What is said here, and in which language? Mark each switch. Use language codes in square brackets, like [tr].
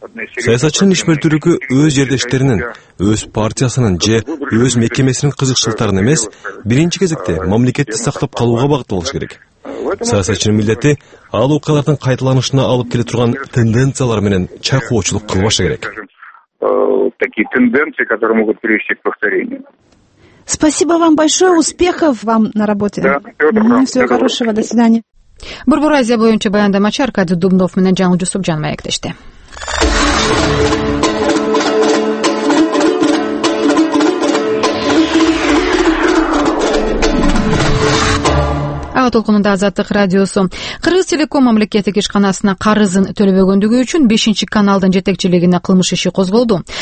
[ky] саясатчынын иш бөлтүрүгү өз жердештеринин, өз партиясынын же өз мекемесинин кызыкчылыктарын эмес, биринчи кезекте мамлекетти сактап калууга багытталыш керек. Саясатчынын милдети ал окуялардын кайталанышына алып келе турган тенденциялар менен чайкоочулук кылбашы керек. [ru] Такие тенденции, которые могут привести к повторению. Спасибо вам большое, успехов вам на работе. Да, всего хорошего, до свидания. [ky] Бурбуразия боюнча баяндамачы Аркадий Дубнов менен Жаңыл Жусуп жан маектеште. Ага толкунунда Азаттык радиосу. Кыргыз Телеком мамлекеттик ишканасына карызын төлөбөгөндүгү үчүн 5-чи каналдын жетекчилигине кылмыш иши козголду.